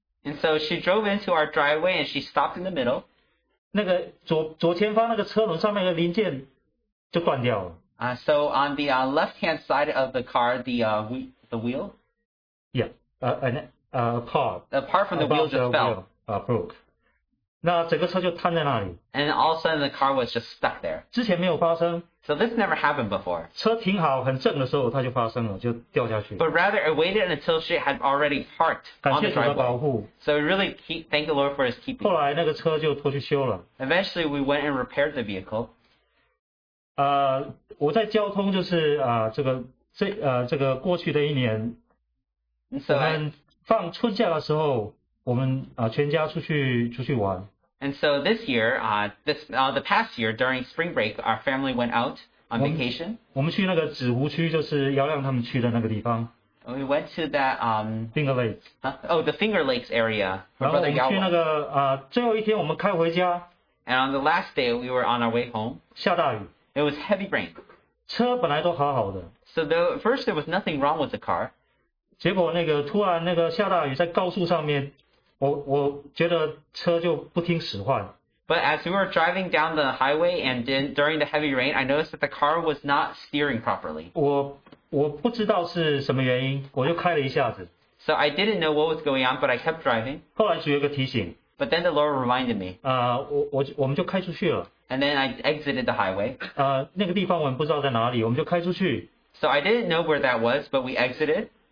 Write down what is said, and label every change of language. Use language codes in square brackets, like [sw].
[en] And so she drove into our driveway and she stopped in the middle. [zh] 那个左前方那个车轮上面的零件就断掉了。 [en] So on the left-hand side of the car, the wheel? Yeah, apart. Apart from the wheel just fell. Broke. [zh] 那整个车就瘫在那里。 [en] And all of a sudden the car was just stuck there. [zh] 之前没有发生。 [en] So this never happened before. [zh] 车停好很正的时候它就发生了，就掉下去。 [en] But rather it waited until she had already parked on the driveway. [zh] 感谢主的保护。 [en] So really thank the Lord for his keeping. [zh] 后来那个车就拖去修了。 [en] Eventually we went and repaired the vehicle. [zh] 我在交通就是这个过去的一年。 [en] So [zh] 我们放春假的时候我们全家出去玩。 [en] And so this year, the past year during spring break, our family went out on vacation. [zh] 我们去那个紫湖区，就是姚亮他们去的那个地方。 [en] We went to that Finger Lakes. The Finger Lakes area. [zh] 然后我们去那个最后一天我们开回家。 [en] And on the last day, we were on our way home. [zh] 下大雨。 [en] It was heavy rain. [zh] 车本来都好好的。 [en] So the first there was nothing wrong with the car. [zh] 结果那个突然那个下大雨在高速上面。我觉得车就不听使唤。 [en] But as we were driving down the highway and then during the heavy rain, I noticed that the car was not steering properly. [zh] 我不知道是什么原因，我就开了一下子。 [en] So I didn't know what was going on, but I kept driving. [zh] 后来主有个提醒。 [en] But then the Lord reminded me. [zh] 我们就开出去了。 [en] And then I exited the highway. [zh] 那个地方我们不知道在哪里，我们就开出去。 [en] So I didn't know where that was, but we exited.